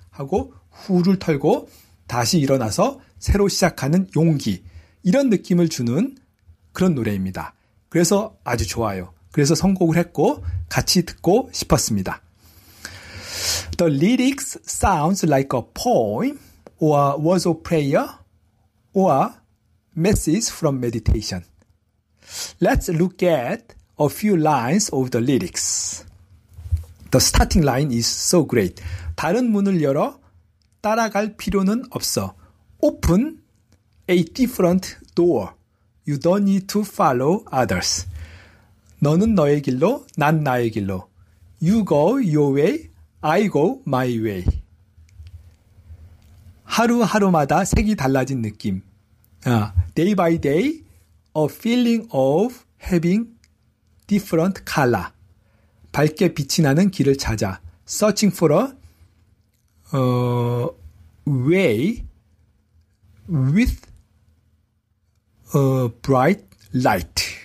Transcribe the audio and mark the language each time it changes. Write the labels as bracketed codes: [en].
[ko] 하고 후를 털고 다시 일어나서 새로 시작하는 용기, 이런 느낌을 주는 그런 노래입니다. 그래서 아주 좋아요. 그래서 선곡을 했고 같이 듣고 싶었습니다. [en] The lyrics sounds like a poem or words of prayer or message from meditation. Let's look at a few lines of the lyrics. The starting line is so great. [ko] 다른 문을 열어 따라갈 필요는 없어. [en] Open a different door. You don't need to follow others. [ko] 너는 너의 길로, 난 나의 길로. [en] You go your way, I go my way. [ko] 하루하루마다 색이 달라진 느낌. [en] Day by day, a feeling of having different color. [ko] 밝게 빛이 나는 길을 찾아. [en] Searching for a way with a bright light.